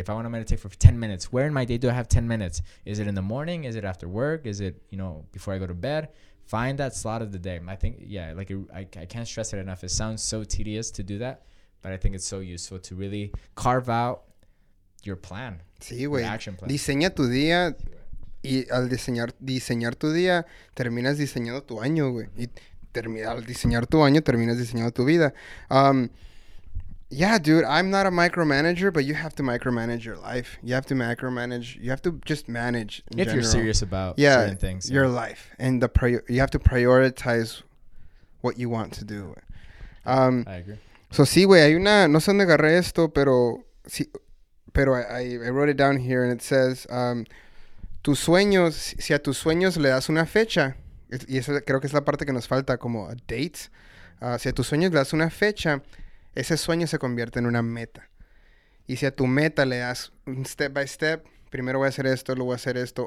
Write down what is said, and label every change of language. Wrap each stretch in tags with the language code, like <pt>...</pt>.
<en>If I want to meditate for 10 minutes, where in my day do I have 10 minutes? Is it in the morning? Is it after work? Is it, you know, before I go to bed? Find that slot of the day. I think, yeah, like, I can't stress it enough. It sounds so tedious to do that, but I think it's so useful to really carve out your plan.</en> <es>Sí, güey.</es> <en>Your action plan.</en> <es>Diseña tu día. Y al diseñar tu día, terminas diseñando tu año, güey. Y al diseñar tu año, terminas diseñando tu vida.</es> <en>Yeah, dude, I'm not a micromanager, but you have to micromanage your life. You have to micromanage. You have to just manage in general. If you're serious about certain things. Yeah, your life. And you have to prioritize what you want to do. I agree.</en> <es>So, sí, güey, hay una... No sé dónde agarré esto, pero... Sí, pero</es> <en>I wrote it down here, and it says...</en> <es>tus sueños... Si a tus sueños le das una fecha... Y esa creo que es la parte que nos falta, como</es> <en>a date.</en> <es>Si a tus sueños le das una fecha... Ese sueño se convierte en una meta. Y si a tu meta le das un</es> <en>step by step,</en> <es>primero voy a hacer esto, luego voy a hacer esto.</es>